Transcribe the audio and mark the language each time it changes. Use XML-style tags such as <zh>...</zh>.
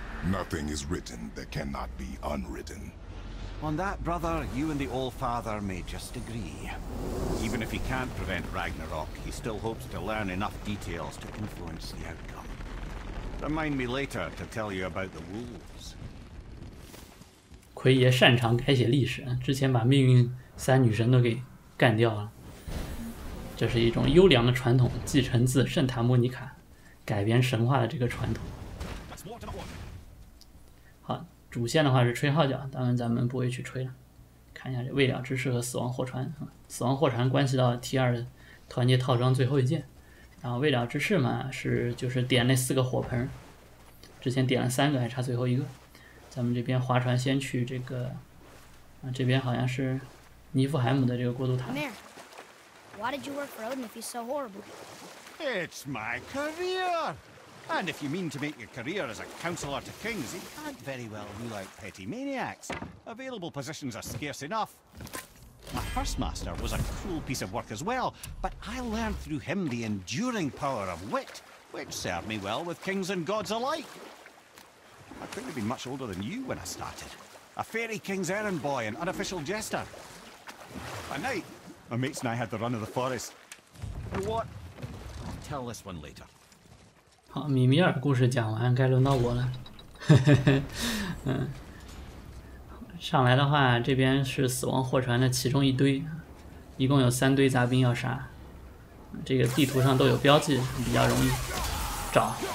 <en>Nothing is written that cannot be unwritten. On that, brother, you and the All Father may just agree. Even if he can't prevent Ragnarok, he still hopes to learn enough details to influence the outcome. Remind me later to tell you about the wolves.</en> <zh>奎爷擅长改写历史，之前把命运三女神都给干掉了，这是一种优良的传统，继承自圣塔莫尼卡改编神话的这个传统。好，主线的话是吹号角，当然咱们不会去吹了。看一下这未了之事和死亡货船，死亡货船关系到 T2 的团结套装最后一件，然后未了之事嘛是就是点那四个火盆，之前点了三个还差最后一个。咱们这边划船先去这个这边好像是尼夫海姆的这个过渡塔。</zh> <en>Why did you work for Odin if he's so horrible? It's my career! And if you mean to make your career as a counselor to kings, you can't very well rule out petty maniacs. Available positions are scarce enough. My first master was a cruel piece of work as well, but I learned through him the enduring power of wit, which served me well with kings and gods alike. I couldn't have been much older than you when I started. A fairy king's errand boy and unofficial jester. A knight. My mates and I had the run of the forest. What? I'll tell this one later.</en> <zh>好，米米尔故事讲完，该轮到我了。上来的话，这边是死亡货船的其中一堆，一共有三堆杂兵要杀。这个地图上都有标记，比较容易找。</zh>